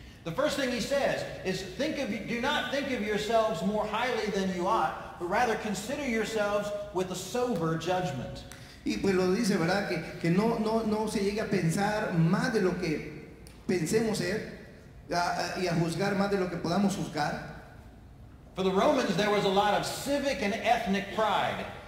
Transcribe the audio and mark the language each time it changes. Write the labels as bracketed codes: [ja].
[en] The first thing he says is, do not think of yourselves more highly than you ought, but rather consider yourselves with a sober judgment. [es] Y pues lo dice, ¿verdad?, que no se llegue a pensar más de lo que pensemos ser, y a juzgar más de lo que podamos juzgar. [en] For the Romans, there was a lot of civic and ethnic pride.